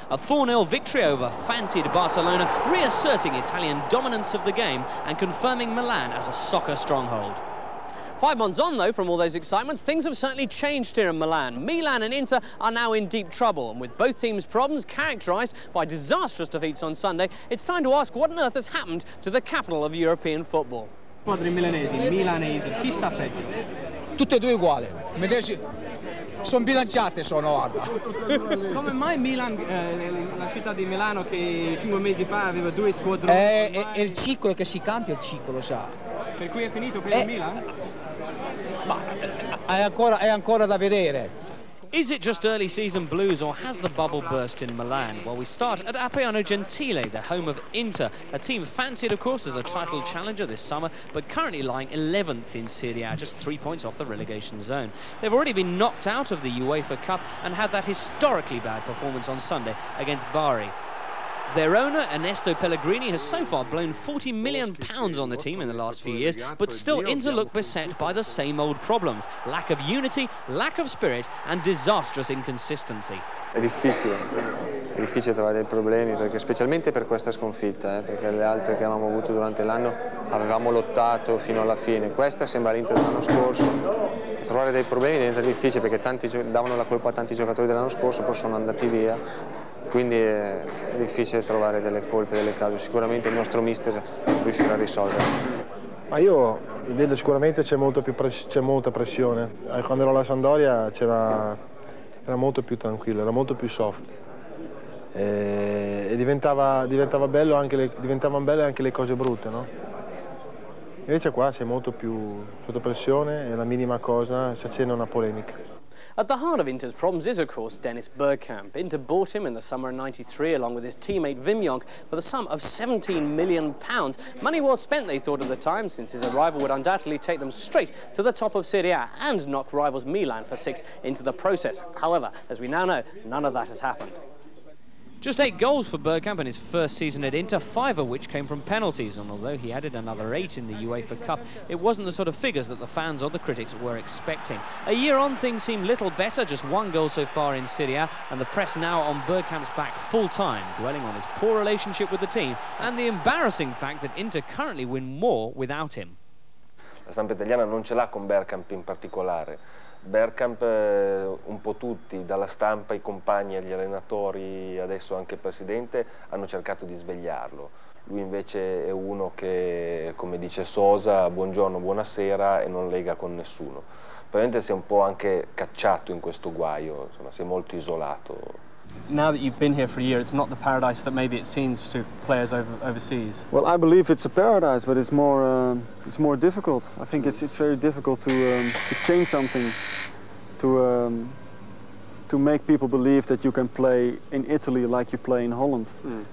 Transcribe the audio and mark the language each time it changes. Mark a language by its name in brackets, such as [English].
[English] A 4-0 victory over fancied Barcelona, reasserting Italian dominance of the game and confirming Milan as a soccer stronghold. 5 months on, though, from all those excitements, things have certainly changed here in Milan. Milan and Inter are now in deep trouble, and with both teams' problems characterised by disastrous defeats on Sunday, it's time to ask what on earth has happened to the capital of European football. [Italian] Madrid milanesi, Milan e Inter, chi sta peggio? Tutte e due uguali. Medici. Sono bilanciate, sono guarda. Come mai Milan, la città di Milano che 5 mesi fa aveva 2 squadroni? È il ciclo che si cambia, il ciclo, sa. Per cui è finito per il Milan? Ma è ancora da vedere. [English] Is it just early season blues or has the bubble burst in Milan? Well, we start at Appiano Gentile, the home of Inter, a team fancied, of course, as a title challenger this summer, but currently lying 11th in Serie A, just 3 points off the relegation zone. They've already been knocked out of the UEFA Cup and had that historically bad performance on Sunday against Bari. Their owner, Ernesto Pellegrini, has so far blown £40 million on the team in the last few years, but still Inter look beset by the same old problems. Lack of unity, lack of spirit, and disastrous inconsistency. [Italian] È difficile trovare dei problemi, perché specialmente per questa sconfitta, perché le altre che avevamo avuto durante l'anno avevamo lottato fino alla fine. Questa sembra l'Inter dell'anno scorso. Trovare dei problemi diventa difficile, perché tanti davano la colpa a tanti giocatori dell'anno scorso, poi sono andati via. Quindi è difficile trovare delle colpe, delle cause. Sicuramente il nostro mister riuscirà a risolvere. Ma io vedo sicuramente c'è molta pressione. Quando ero alla Sampdoria era molto più tranquillo, era molto più soft. E diventavano belle anche le cose brutte, no? Invece qua sei molto più sotto pressione e la minima cosa si accende una polemica. [English] At the heart of Inter's problems is, of course, Dennis Bergkamp. Inter bought him in the summer of 93, along with his teammate Wim Jonk, for the sum of £17 million. Money well spent, they thought at the time, since his arrival would undoubtedly take them straight to the top of Serie A and knock rivals Milan for 6 into the process. However, as we now know, none of that has happened. Just 8 goals for Bergkamp in his first season at Inter, 5 of which came from penalties, and although he added another 8 in the UEFA Cup, it wasn't the sort of figures that the fans or the critics were expecting. A year on, things seem little better, just 1 goal so far in Serie A, and the press now on Bergkamp's back full-time, dwelling on his poor relationship with the team and the embarrassing fact that Inter currently win more without him. [Italian] La stampa italiana non ce l'ha con Bergkamp in particolare. Bergkamp, un po' tutti, dalla stampa, i compagni, agli allenatori, adesso anche il presidente, hanno cercato di svegliarlo. Lui invece è uno che, come dice Sosa, buongiorno, buonasera e non lega con nessuno. Probabilmente si è un po' anche cacciato in questo guaio, insomma, si è molto isolato. [English] Now that you've been here for a year, it's not the paradise that maybe it seems to players overseas. Well, I believe it's a paradise, but it's more difficult. I think it's very difficult to change something, to make people believe that you can play in Italy like you play in Holland. Mm.